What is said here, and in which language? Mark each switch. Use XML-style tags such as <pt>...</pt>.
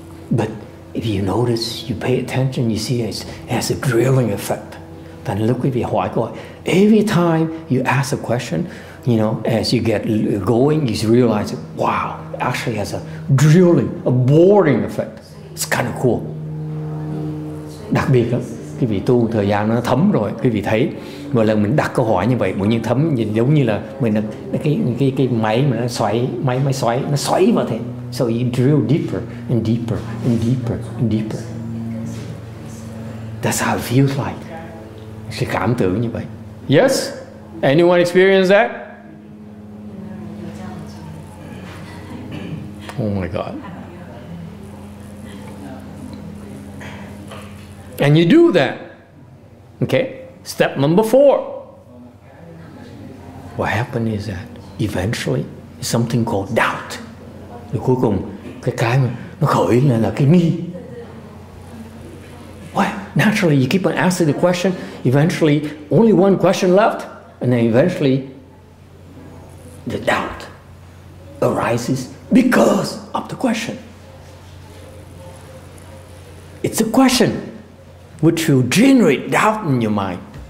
<en>But if you notice, you pay attention, you see it has a drilling effect. Then look at your white boy. Every time you ask a question, you know, as you get going, you realize, wow, actually has a drilling, a boring effect. It's kind of cool.</en> <vi>Đặc biệt lắm, quý vị tu thời gian nó thấm rồi, quý vị thấy. Mỗi lần mình đặt câu hỏi như vậy, bỗng nhiên thấm nhìn giống như là mình cái máy mà nó xoáy, máy xoáy, nó xoáy vào thế.</vi> <en>So you drill deeper and deeper and deeper and deeper. That's how it feels like.</en> <vi>Sự cảm tưởng như vậy.</vi> <en>Yes? Anyone experience that? Oh my God. And you do that. Okay? Step number four. What happened is that eventually something called doubt.</en> <vi>Thì cuối cùng cái nó khởi lên là cái nghi.</vi> <en>Well, naturally you keep on asking the question. Eventually, only one question left. And then eventually, the doubt arises because of the question. It's a question which will generate doubt in your mind.</en>